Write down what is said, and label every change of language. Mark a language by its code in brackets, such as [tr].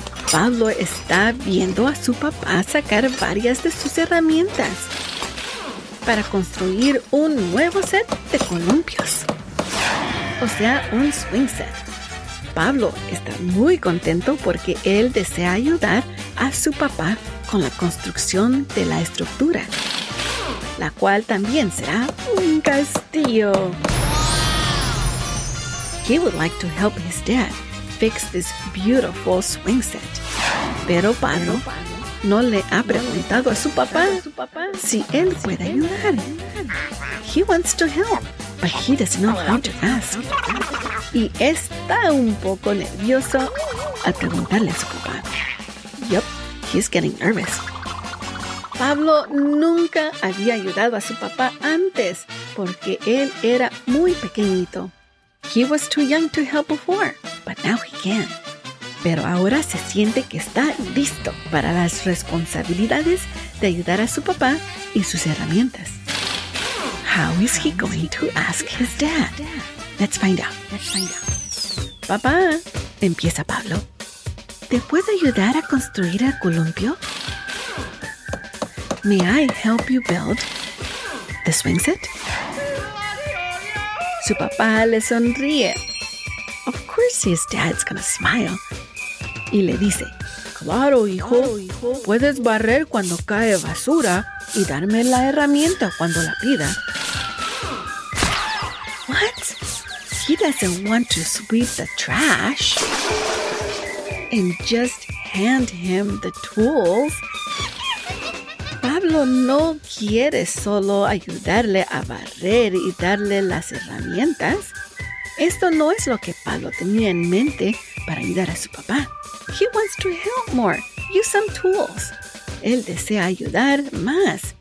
[es] Pablo está viendo a su papá sacar varias de sus herramientas para construir un nuevo set de columpios, o sea, un swing set. Pablo está muy contento porque él desea ayudar a su papá con la construcción de la estructura, la cual también será un castillo. [en] He would like to help his dad fix this beautiful swing set. [es] Pero Pablo no le ha preguntado a su papá si él puede ayudar. [en] He wants to help, but he doesn't know how to ask. [es] Y está un poco nervioso al preguntarle a su papá. [en] Yep, he's getting nervous. [es] Pablo nunca había ayudado a su papá antes porque él era muy pequeñito. [en] He was too young to help before, but now he can. [es] Pero ahora se siente que está listo para las responsabilidades de ayudar a su papá y sus herramientas. [en] How is he going to ask his dad? Let's find out. [es] Papá, empieza Pablo. ¿Te puedo ayudar a construir el columpio? [en] May I help you build the swing set? [es] Su papá le sonríe. [en] Of course his dad's gonna smile. [es] Y le dice, claro, hijo. Puedes barrer cuando cae basura y darme la herramienta cuando la pida. [en] What? He doesn't want to sweep the trash and just hand him the tools. [es] Pablo no quiere solo ayudarle a barrer y darle las herramientas. Esto no es lo que Pablo tenía en mente para ayudar a su papá. [en] He wants to help more. Use some tools. [es] Él desea ayudar más.